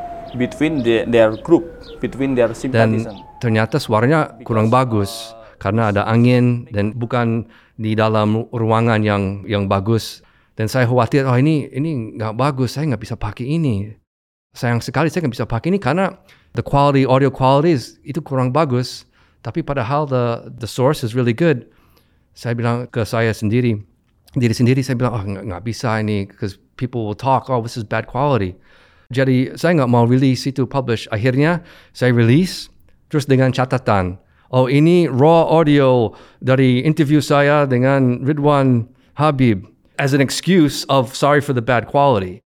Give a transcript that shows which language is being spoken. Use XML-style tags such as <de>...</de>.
<en>Between their group, between their sympathizers.</en> <id>Dan ternyata suaranya kurang bagus karena ada angin dan bukan di dalam ruangan yang bagus. Dan saya khawatir, oh ini nggak bagus, saya nggak bisa pakai ini. Sayang sekali saya nggak bisa pakai ini karena</id> <en>the quality, audio quality</en> <id>itu kurang bagus.</id> <en>Tapi padahal the source is really good.</en> <id>Saya bilang ke saya sendiri. Diri sendiri saya bilang, oh nggak bisa ini,</id> <en>because people will talk, oh this is bad quality.</en> <id>Jadi saya nggak mau release itu, publish. Akhirnya saya release, terus dengan catatan, oh ini raw audio dari interview saya dengan Ridwan Habib,</id> <en>as an excuse of sorry for the bad quality.</en>